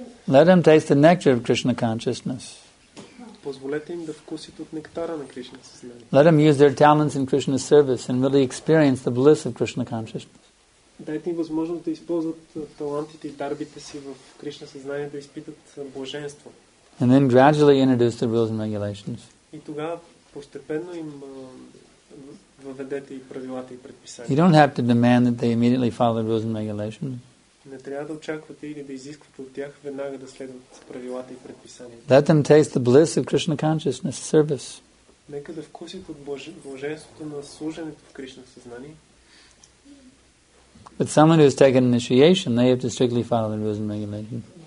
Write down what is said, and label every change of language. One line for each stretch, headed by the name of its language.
English: Let them taste the nectar of Krishna consciousness.
Bulgarian: Позволете им да вкусят от нектара на Кришна съзнание.
English: Let them use their talents in Krishna's service and really experience the bliss of Krishna consciousness.
Bulgarian: Дайте им възможност да използват талантите и дарбите си в Кришна съзнание да изпитат блаженство.
English: And then gradually introduce the rules and regulations.
Bulgarian: И тогава постепенно им въведете и правилата и предписания.
English: You don't have to demand that they immediately follow the rules and regulations.
Bulgarian: Не трябва да очаквате или да изисквате от тях веднага да следват правилата и предписания.
English: Let them taste the bliss of Krishna consciousness service.
Bulgarian: Нека да вкусят от блаженството на служенето в Кришна съзнание.
English: But someone who's taken initiation, they have to strictly follow the rules and regulations.